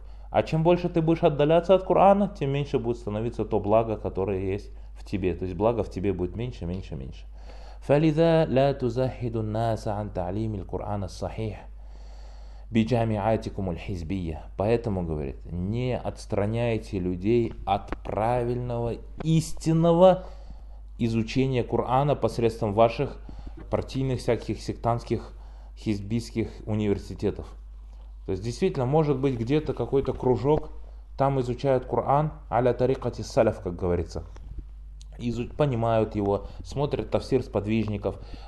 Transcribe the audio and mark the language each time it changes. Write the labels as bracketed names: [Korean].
[Russian] А чем больше ты будешь отдаляться от Корана, тем меньше будет становиться то благо, которое есть в тебе. То есть благо в тебе будет меньше, меньше, меньше. [Arabic] فَلِذَا لَا تُزَحِدُ النَّاسَ عَنْ تَعْلِيمِ الْقُرْآنَ الصَّحِيحِ [Russian] биджамиатикумуль хизбия. Поэтому, говорит, не отстраняйте людей от правильного, истинного изучения Корана посредством ваших партийных всяких сектантских хизбийских университетов. То есть, действительно, может быть, где-то какой-то кружок, там изучают Коран, [Arabic] аля тарикати саляф, [Russian] как говорится. Понимают его, смотрят тафсир сподвижников,